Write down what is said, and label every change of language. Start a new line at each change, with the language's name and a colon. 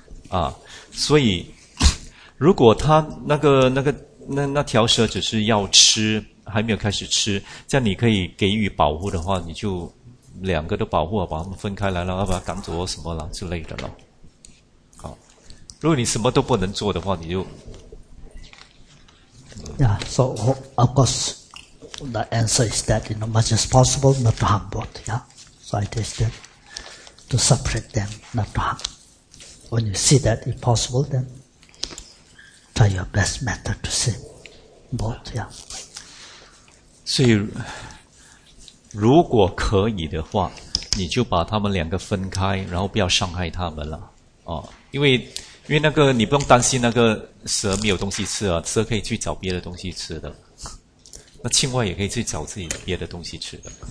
Chinese: 啊，所以如果他那条蛇只是要吃，还没有开始吃，这样你可以给予保护的话，你就两个都保护，把他们分开来了，要把他赶走什么了之类的了。好，如果你什么都不能做的话，你就。
English: Yeah, so of course the answer is that, you know, much as possible not to harm both, yeah. So it is that to separate them, not to harm. When you see that if possible, then try your best method to save both, yeah.
Chinese: 所以如果可以的话，你就把他们两个分开，然后不要伤害他们了。因为那个你不用担心那个蛇没有东西吃啊，蛇可以去找别的东西吃的。那青蛙也可以去找自己别的东西吃的。